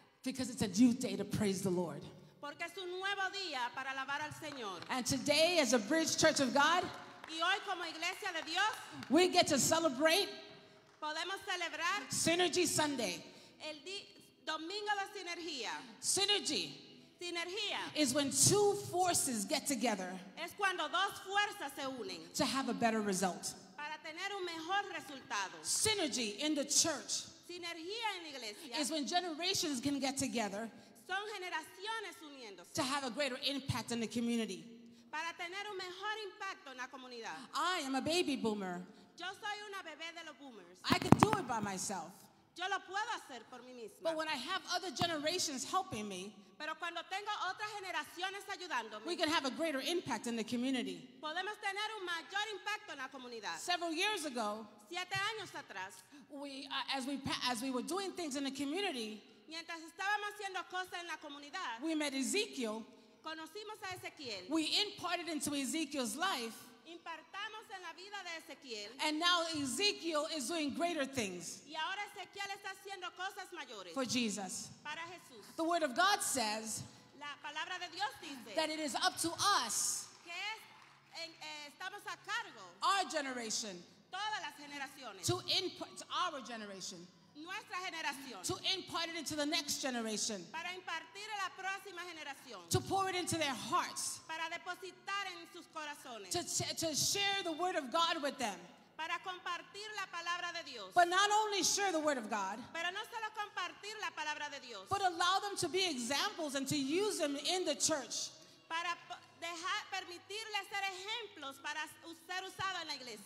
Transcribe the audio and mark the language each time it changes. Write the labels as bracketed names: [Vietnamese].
[English] Because it's a new day to praise the Lord. [Spanish] Porque es un nuevo día para alabar al Señor. [English] And today, as a Bridge Church of God, [Spanish] y hoy como iglesia de Dios, [English] we get to celebrate. [Spanish] Podemos celebrar [English] Synergy Sunday. [Spanish] El domingo de sinergia. [English] Synergy. [Spanish] Sinergia. [English] Is when two forces get together. [Spanish] Es cuando dos fuerzas se unen. [English] To have a better result. [Spanish] Para tener un mejor resultado. [English] Synergy in the church. [Spanish] Sinergia en la iglesia. [English] Is when generations can get together. [Spanish] Son generaciones uniéndose. [English] To have a greater impact in the community. [Spanish] Para tener un mejor impacto en la comunidad. [English] I am a baby boomer. [Spanish] Yo soy una bebé de los boomers. [English] I can do it by myself. [Spanish] Yo lo puedo hacer por mí misma. [English] But when I have other generations helping me, [Spanish] pero cuando tengo otras generaciones ayudándome, [English] we can have a greater impact in the community. [Spanish] Podemos tener un mayor impacto en la comunidad. [English] Several years ago, [Spanish] 7 años atrás, [English] as we were doing things in the community, [Spanish] mientras estábamos haciendo cosas en la comunidad, [English] we met Ezekiel. [Spanish] Conocimos a Ezequiel. [English] We imparted into Ezekiel's life. [Spanish] Impartamos en la vida de Ezequiel. [English] And now Ezekiel is doing greater things. [Spanish] Y ahora Ezequiel está haciendo cosas mayores. [English] For Jesus. [Spanish] Para Jesús. [English] The word of God says. [Spanish] La palabra de Dios dice. [English] That it is up to us. [Spanish] Que es, estamos a cargo. [English] Our generation. [Spanish] Todas las generaciones. [English] To impart our generation. [Spanish] Nuestra generación. [English] To impart it into the next generation. [Spanish] Para impartir a la próxima generación. [English] To pour it into their hearts. [Spanish] Para depositar en sus corazones. [English] To share the word of God with them. [Spanish] Para compartir la palabra de Dios. [English] But not only share the word of God. [Spanish] Pero no solo compartir la palabra de Dios. [English] But allow them to be examples and to use them in the church. [Spanish] Para dejar permitirles ser ejemplos para ser usado en la iglesia.